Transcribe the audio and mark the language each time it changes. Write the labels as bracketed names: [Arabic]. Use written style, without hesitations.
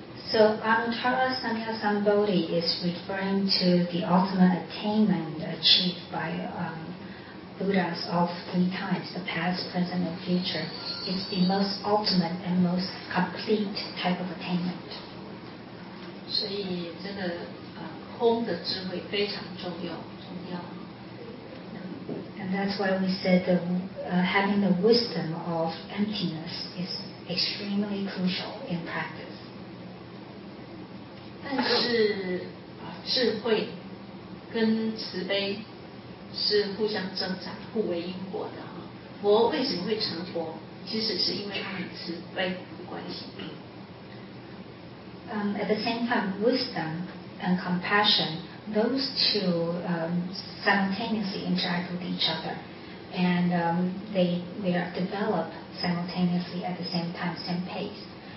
[English] So Anuttara Samyak Sambodhi is referring to the ultimate attainment achieved by Buddhas of three times, the past, present, and future. It's the most ultimate and most complete type of attainment. [Chinese] 所以真的空的智慧非常重要。 [English] And that's why we said that having the wisdom of emptiness is extremely crucial in practice. [Chinese] 但是智慧跟慈悲是互相增长，互为因果的。佛为什么会成佛？其实是因为他很慈悲的关系。 [English] At the same time, wisdom and compassion, those two simultaneously interact with each other, and they are developed simultaneously at the same time, same pace.